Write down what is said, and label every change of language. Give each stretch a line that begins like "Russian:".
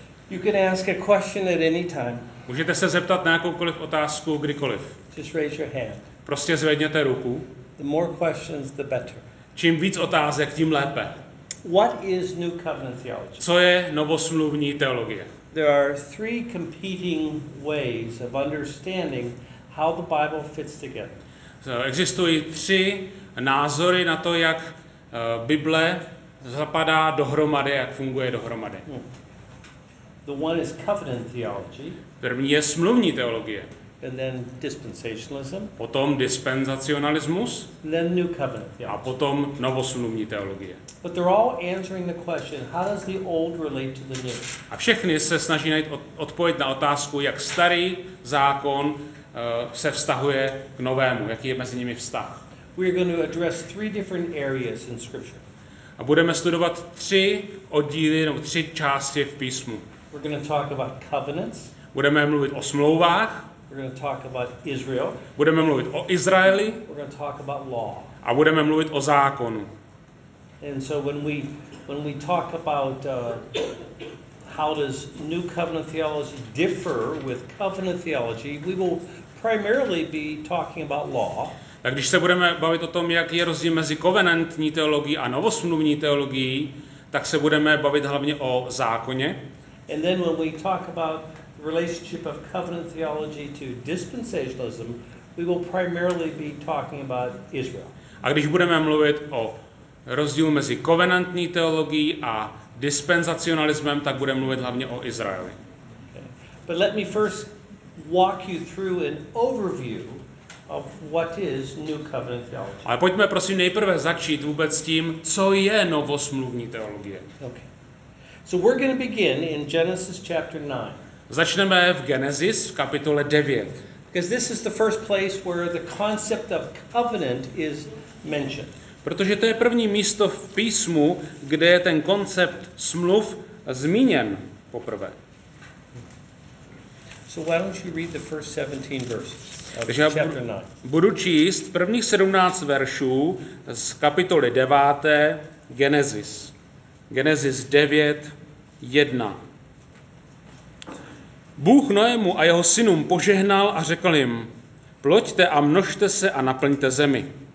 English: You can ask a question at any time.
Czech: Můžete se zeptat na jakoukoliv otázku kdykoliv.
English: Just raise your hand.
Czech: Prostě zvedněte ruku.
English: The more questions, the better.
Czech: Čím víc otázek, tím lépe.
English: What is New Covenant theology?
Czech: Co je novosmluvní teologie?
English: There are three competing ways of understanding how the Bible fits together.
Czech: Existují tři názory na to, jak Bible zapadá dohromady, jak funguje dohromady.
English: The one is covenant theology.
Czech: První je smluvní teologie.
English: And then dispensationalism.
Czech: Potom dispensacionalismus.
English: And then new covenant theology.
Czech: A potom novosmluvní teologie.
English: But they're all answering the question, how does the old relate to the new?
Czech: A všechny se snaží najít odpověď na otázku, jak starý zákon se vztahuje k novému, jaký je mezi nimi vztah.
English: We are going to address three different areas in scripture.
Czech: A budeme studovat tři oddíly nebo tři části v písmu.
English: We're going to talk about covenants.
Czech: Budeme mluvit o smlouvách.
English: We're going to talk about Israel.
Czech: Budeme mluvit o Izraeli.
English: We're going to talk about law.
Czech: A budeme mluvit o zákonu.
English: And so when we talk about how does New Covenant theology differ with Covenant theology, we will primarily be talking about law.
Czech: Tak když se budeme bavit o tom, jak je rozdíl mezi covenantní teologií a novosmluvní teologií, tak se budeme bavit hlavně o zákoně.
English: And then when we talk about relationship of covenant theology to dispensationalism, we will primarily be talking about Israel.
Czech: A když budeme mluvit o rozdílu mezi covenantní teologií a dispensacionalismem, tak budeme mluvit hlavně o Izraeli.
English: Okay. But let me first walk you through an overview of what is New Covenant theology.
Czech: Ale pojďme prosím nejprve začít vůbec s tím, co je novosmluvní teologie.
English: Okay. So we're going to begin in Genesis chapter 9.
Czech: Začneme v Genesis v kapitole 9.
English: Because this is the first place where the concept of covenant is mentioned.
Czech: Protože to je první místo v písmu, kde je ten koncept smluv zmíněn poprvé.
English: So why don't you read the first 17 verses?
Czech: Budu číst prvních 17 veršů z kapitoly 9. Genesis.
English: Genesis 9, 1.
Czech: Bůh Noému a jeho synům požehnal a řekl jim, ploďte a množte se a naplňte zemi.